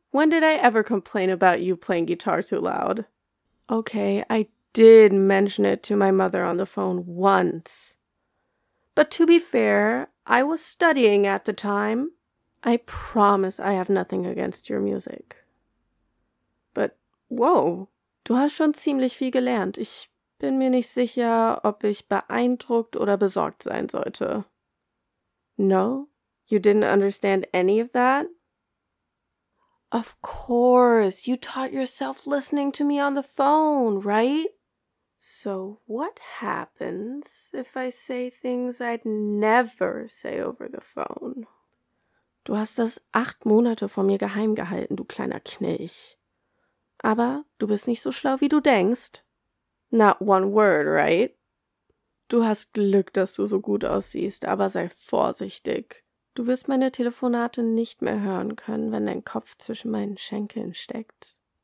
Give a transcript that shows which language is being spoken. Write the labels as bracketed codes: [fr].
[en] When did I ever complain about you playing guitar too loud? Okay, I did mention it to my mother on the phone once. But to be fair, I was studying at the time. I promise I have nothing against your music. But whoa, [de] du hast schon ziemlich viel gelernt. Ich bin mir nicht sicher, ob ich beeindruckt oder besorgt sein sollte. [en] No, you didn't understand any of that? Of course, you taught yourself listening to me on the phone, right? So what happens if I say things I'd never say over the phone? [de] Du hast das 8 Monate vor mir geheim gehalten, du kleiner Knilch. Aber du bist nicht so schlau, wie du denkst. [en] Not one word, right? [de] Du hast Glück, dass du so gut aussiehst, aber sei vorsichtig. Du wirst meine Telefonate nicht mehr hören können, wenn dein Kopf zwischen meinen Schenkeln steckt.